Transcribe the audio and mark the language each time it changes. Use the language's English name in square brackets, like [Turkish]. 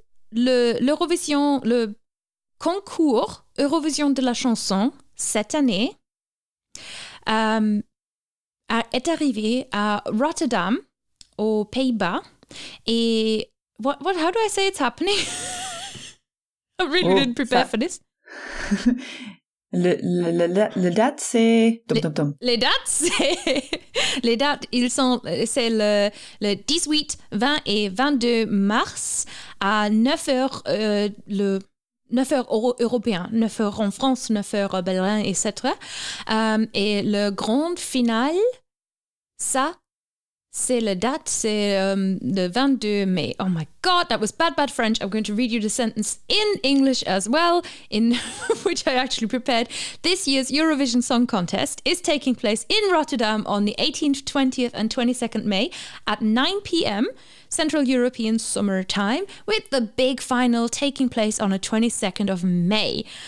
[French] L'Eurovision, le concours Eurovision de la chanson cette année est arrivé à Rotterdam aux Pays-Bas. [English] Et what how do I say it's happening? I really didn't prepare for this. [French] Le date c'est les dates c'est les dates ils sont c'est le 18, 20 et 22 mars à 9h le 9 heures européen, 9 heures en France, 9 heures à Berlin, etc. Et le grand final, ça, c'est la date, c'est le 22 mai. [English] Oh my God, that was bad, bad French. I'm going to read you the sentence in English as well, in which I actually prepared. This year's Eurovision Song Contest is taking place in Rotterdam on the 18th, 20th and 22nd May at 9 p.m., Central European summer time, with the big final taking place on the 22nd of May.